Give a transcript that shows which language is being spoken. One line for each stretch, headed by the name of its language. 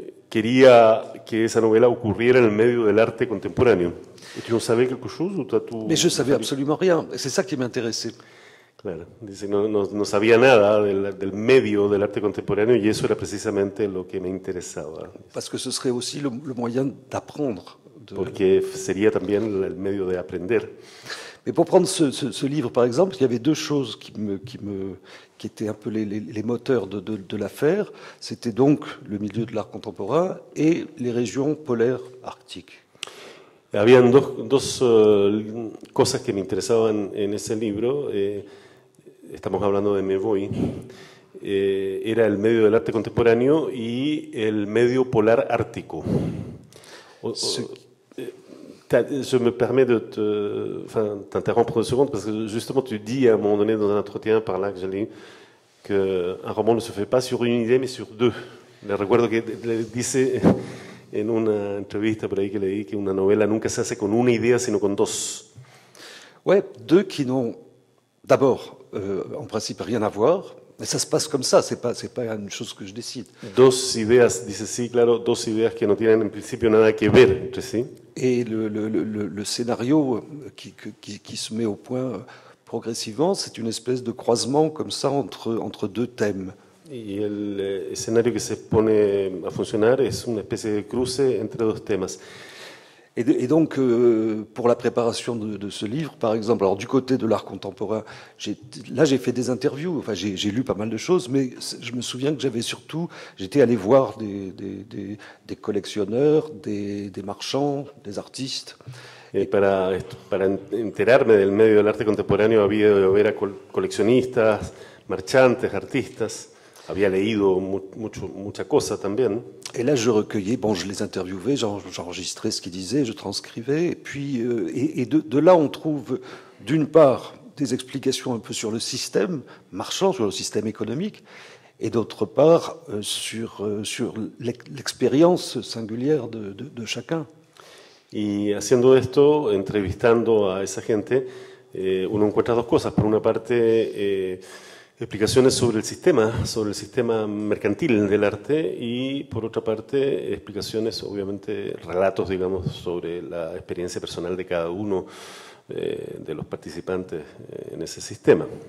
Spanish: Quería que esa novela ocurriera en el medio del arte contemporáneo. ¿Tú no sabes
French: quelque chose? Mais je savais absolument rien. C'est ça qui m'intéressait.
Spanish: Claro. Dice, no sabía nada del medio del arte contemporáneo y eso era precisamente lo que me interesaba.
French: Parce que ce serait aussi le moyen d'apprendre.
Spanish: Porque sería también el medio de aprender.
French: Mais pour prendre ce livre, par exemple, il y avait deux choses qui étaient un peu les moteurs de l'affaire. C'était donc le milieu de l'art contemporain et les régions polaires arctiques. Il y avait deux choses qui m'intéressaient dans ce livre.
Spanish: Estamos hablando de Me Voy. Era el medio del arte contemporáneo y el medio polar ártico.
French: Je me permets de t'interrompre une seconde, parce que justement tu dis à un moment donné dans un entretien par là que j'ai lu qu'un roman ne se fait pas sur une idée mais sur deux.
Spanish: Me recuerdo que le dice en una entrevista por ahí que leí que una novela nunca se hace con una idea sino con dos.
French: Ouais, deux qui n'ont d'abord en principe rien à voir. Mais ça se passe comme ça, c'est pas une chose que je décide.
Spanish: Dos ideas, dice sí, claro, dos ideas que no tienen en principio nada que ver entre sí.
French: Et le scénario qui se met au point progressivement, c'est une espèce de croisement comme ça entre deux thèmes.
Spanish: Y el escenario que se pone a funcionar es una especie de cruce entre dos temas.
French: Et donc, pour la préparation de ce livre, par exemple, alors du côté de l'art contemporain, j'ai fait des interviews, enfin j'ai lu pas mal de choses, mais je me souviens que j'étais allé voir des collectionneurs, des marchands, des artistes.
Spanish: Et para enterarme del medio del arte contemporáneo, había ido a ver a coleccionistas, marchantes, artistas. Había leído mucha cosa también.
French: Et là, je recueillais, je les interviewais, j'enregistrais ce qu'ils disaient, je transcrivais, et de là, on trouve d'une part des explications un peu sur le système marchand, sur le système économique, et d'autre part sur l'expérience singulière de chacun.
Spanish: Y haciendo esto, entrevistando a esa gente, uno encuentra dos cosas. Por una parte, explicaciones sobre el sistema mercantil del arte y, por otra parte, explicaciones, obviamente, relatos, digamos, sobre la experiencia personal de cada uno de los participantes en ese sistema.